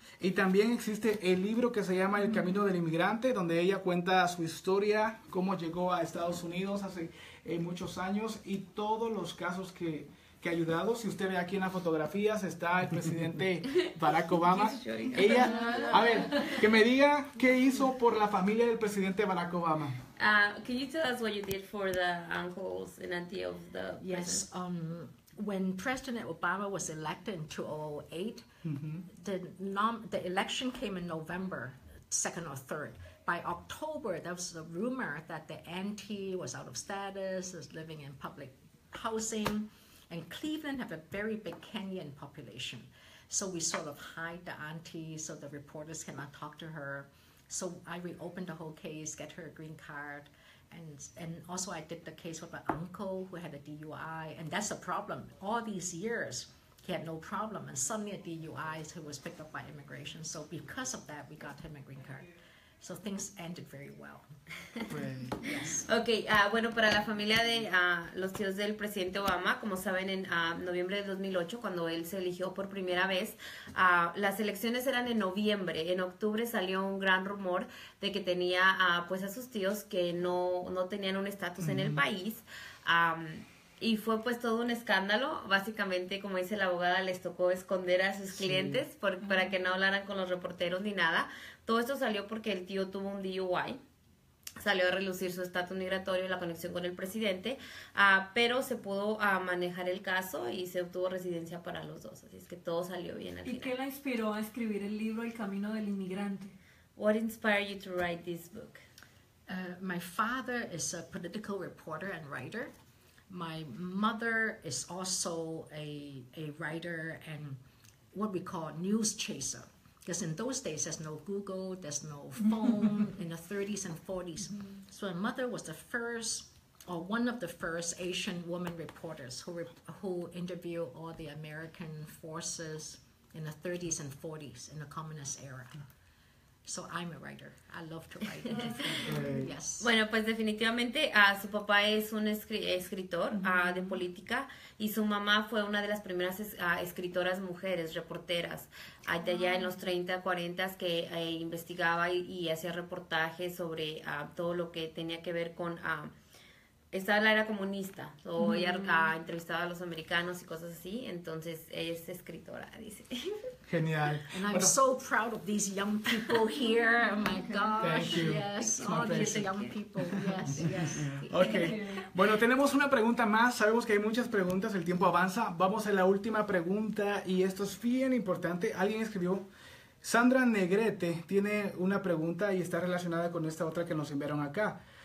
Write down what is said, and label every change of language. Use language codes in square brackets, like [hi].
[es] Y también existe el libro que se llama El Camino del Inmigrante, donde ella cuenta su historia, cómo llegó a Estados Unidos hace muchos años y todos los casos que ha ayudado. Si usted ve aquí en las fotografías, está el presidente Barack Obama. Ella, a ver, que me diga qué hizo por la familia del presidente Barack Obama. [en] Can you tell us what you did for the uncles and aunties of the president? Yes, when President Obama was elected in 2008, the election came in November 2nd or 3rd. By October, there was a rumor that the auntie was out of status, was living in public housing, and Cleveland have a very big Kenyan population. So we sort of hide the auntie so the reporters cannot talk to her. So I reopened the whole case, get her a green card. And also I did the case with my uncle who had a DUI, and that's a problem. All these years, he had no problem, and suddenly a DUI, so he was picked up by immigration. So because of that, we got him a green card. So things ended very well. [es] Okay, bueno, para la familia de los tíos del presidente Obama, como saben, en noviembre de 2008, cuando él se eligió por primera vez, las elecciones eran en noviembre. En octubre salió un gran rumor de que tenía pues a sus tíos que no tenían un estatus en el país. Y fue pues todo un escándalo. Básicamente, como dice la abogada, les tocó esconder a sus clientes para que no hablaran con los reporteros ni nada. Todo esto salió porque el tío tuvo un DUI. Salió a relucir su estatus migratorio y la conexión con el presidente, pero se pudo manejar el caso y se obtuvo residencia para los dos, así es que todo salió bien al final. ¿Y qué la inspiró a escribir el libro El Camino del Inmigrante? [en] What inspired you to write this book? My father is a political reporter and writer. My mother is also a writer and what we call news chaser. Because in those days, there's no Google, there's no phone in the 30s and 40s. Mm-hmm. So my mother was the first, or one of the first Asian woman reporters who interviewed all the American forces in the 30s and 40s in the communist era. Yeah. So I'm a writer. I love to write. Yes. [es] Bueno, pues definitivamente su papá es un escritor de política y su mamá fue una de las primeras escritoras mujeres, reporteras, allá en los 30, 40s que investigaba y hacía reportajes sobre todo lo que tenía que ver con... Esta la era comunista, o ella entrevistaba a los americanos y cosas así, entonces ella es escritora, dice. Genial. [en] And I'm so proud of these young people here, oh my gosh. Thank you. Yes, all these young people, yes, yes. [es] Okay, bueno, tenemos una pregunta más, sabemos que hay muchas preguntas, el tiempo avanza, vamos a la última pregunta, y esto es bien importante, alguien escribió, Sandra Negrete tiene una pregunta y está relacionada con esta otra que nos enviaron acá.